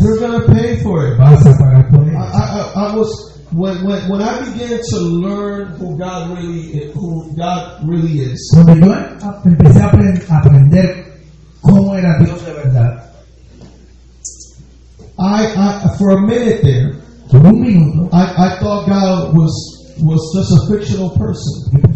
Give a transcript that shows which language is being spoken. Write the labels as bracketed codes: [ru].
[en] You're going to pay for it. [es] Vas a pagar por ellas. [en] I was when I began to learn who God really is. [es] Cuando yo empecé a aprender cómo era Dios de verdad, [en] I for a minute there, [es] por un minuto, [en] I thought God was just a fictional person.